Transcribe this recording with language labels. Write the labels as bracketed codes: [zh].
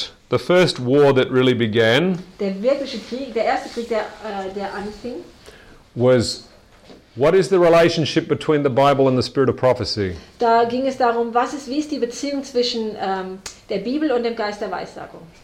[en] The first war that really began. [de] Der wirkliche Krieg, der erste Krieg, der anfing. [en] Was, what is the relationship between the Bible and the spirit of prophecy? [de] Da ging es darum, wie ist die Beziehung zwischen der Bibel und dem Geist der Weissagung?